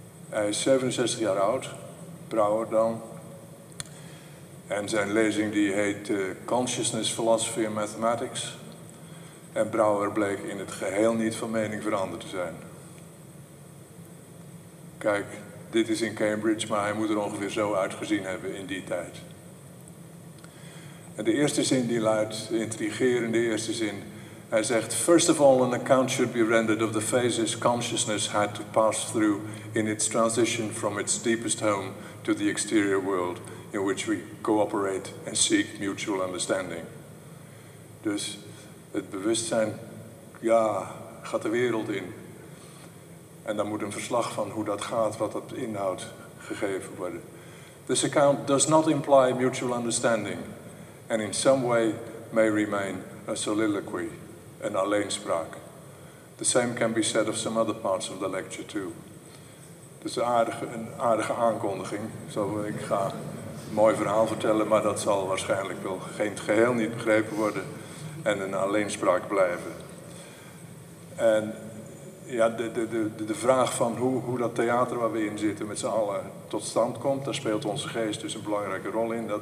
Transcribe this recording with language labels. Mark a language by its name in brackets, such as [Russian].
[Dutch] Hij is 67 jaar oud, Brouwer dan. En zijn lezing die heet Consciousness Philosophy and Mathematics. En Brouwer bleek in het geheel niet van mening veranderd te zijn. Kijk, dit is in Cambridge, maar hij moet er ongeveer zo uitgezien hebben in die tijd. En de eerste zin die luidt, intrigerende eerste zin. Hij zegt, [English] first of all an account should be rendered of the phases consciousness had to pass through in its transition from its deepest home to the exterior world in which we cooperate and seek mutual understanding. [Dutch] Dus het bewustzijn, ja, gaat de wereld in. En dan moet een verslag van hoe dat gaat, wat dat inhoudt, gegeven worden. [English] This account does not imply mutual understanding and in some way may remain a soliloquy. [Dutch] Een alleenspraak. [English] The same can be said of some other parts of the lecture too. [Dutch] Dus een aardige aankondiging. Zo, ik ga een mooi verhaal vertellen, maar dat zal waarschijnlijk wel geen geheel niet begrepen worden en een alleenspraak blijven. En ja, de vraag van hoe dat theater waar we in zitten met z'n allen tot stand komt, daar speelt onze geest dus een belangrijke rol in.